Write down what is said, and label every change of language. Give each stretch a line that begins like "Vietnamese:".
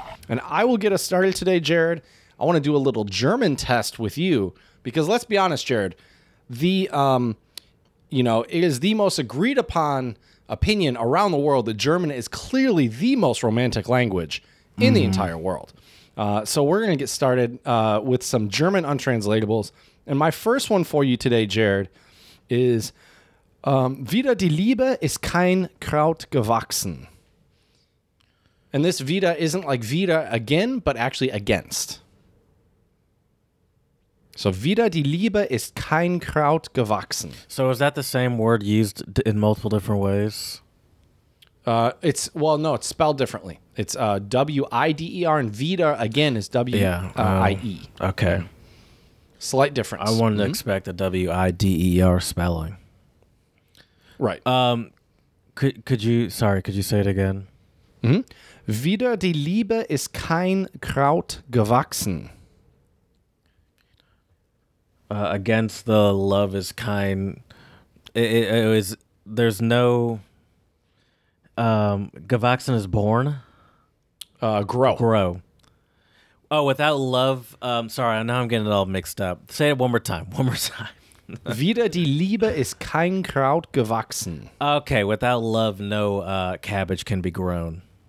English: And I will get us started today, Jared. I want to do a little German test with you, because let's be honest, Jared, it is the most agreed upon opinion around the world that German is clearly the most romantic language in the entire world. So we're going to get started with some German untranslatables. And my first one for you today, Jared, is
German: Wieder die Liebe ist kein Kraut gewachsen.
English: And this Vita isn't like Vita again, but actually against.
German: So Wieder die Liebe ist kein Kraut gewachsen.
English: So is that the same word used in multiple different ways? It's spelled differently. It's W-I-D-E-R, and Vita again is W-I-E. Yeah, Okay. Slight difference. I wouldn't expect a W-I-D-E-R spelling. Right. Could you say it again? Mm-hmm.
German: Wieder die Liebe ist kein Kraut gewachsen.
English: Against the love is kein it was there's no Gavaxin is born. Grow. Oh, without love. Sorry, now I'm getting it all mixed up. Say it one more time.
German: Wieder die Liebe ist kein Kraut gewachsen.
English: Okay, without love, no cabbage can be grown.